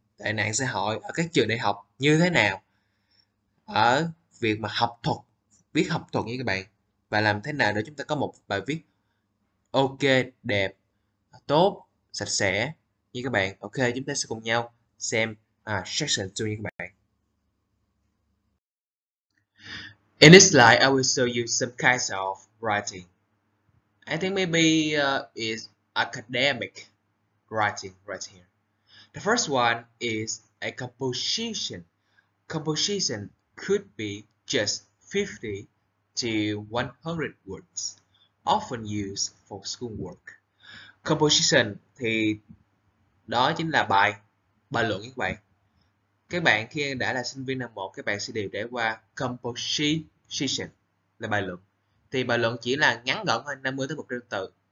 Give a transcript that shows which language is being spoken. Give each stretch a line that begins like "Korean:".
Vietnamese: tệ nạn xã hội ở các trường đại học như thế nào, ở việc mà học thuật, viết học thuật như các bạn, và làm thế nào để chúng ta có một bài viết ok, đẹp, tốt, sạch sẽ như các bạn. Ok, chúng ta sẽ cùng nhau xem section 2 như các bạn.
English: In this slide, I will show you some kinds of writing. I think maybe it's academic writing right here. The first one is a composition. Composition could be just 50 to 100 words, often used for schoolwork.
Vietnamese: Composition thì đó chính là bài, bài luận các bạn. Các bạn khi đã là sinh viên năm 1, các bạn sẽ đều trải qua composition là bài luận. Thì bài luận chỉ là ngắn gọn hơn 50 tới 100 từ.